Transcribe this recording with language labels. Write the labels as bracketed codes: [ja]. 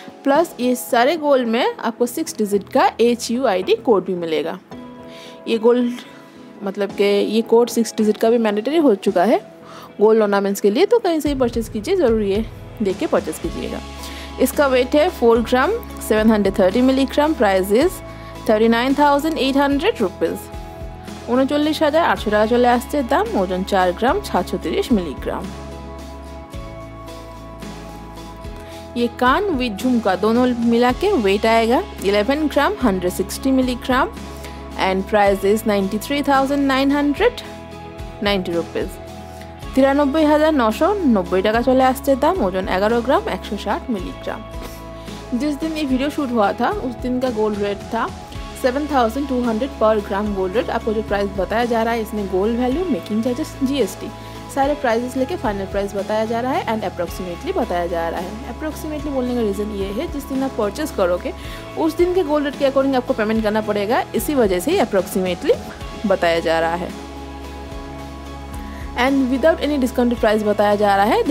[hi] Plus ये सारे gold में आपको 6 डिजिट का HUID कोड भी मिलेगा। ये गोल्ड मतलब के ये कोड 6 डिजिट का भी मैंडेटरी हो चुका है गोल्ड ऑर्नामेंट्स के लिए, तो कहीं से ही परचेस कीजिए, जरूरी है, देख के परचेस कीजिएगा। इसका वेट है 4 ग्राम 730 मिलीग्राम। [en] Price is 39,800 rupees. [bn] 39,800 टाका চলে আসছে দাম। ওজন 4 গ্রাম 630 মিলিগ্রাম। [hi] ये कान विद झुमका दोनों मिला के वेट आएगा 11 ग्राम 160 milligram. [en] And price is 93,990 rupees. [bn] 93,990 टाका চলে আসছে দাম। ওজন 11 গ্রাম 160 মিলিগ্রাম। [hi] जिस दिन ये वीडियो शूट हुआ था उस दिन का गोल्ड रेट था 7,200 पर ग्राम गोल्ड रेट। आपको जो प्राइस बताया जा रहा है इसमें gold value, making charges, GST, सारे प्राइसेस लेके फाइनल प्राइस बताया जा रहा है एंड अप्रोक्सीमेटली बताया जा रहा है। अप्रोक्सीमेटली बोलने का रीज़न ये है, जिस दिन आप परचेस करोगे उस दिन के गोल्ड रेट के अकॉर्डिंग आपको पेमेंट करना पड़ेगा, इसी वजह से ही अप्रोक्सीमेटली बताया जा रहा है and without any discounted price बताया जा रहा है।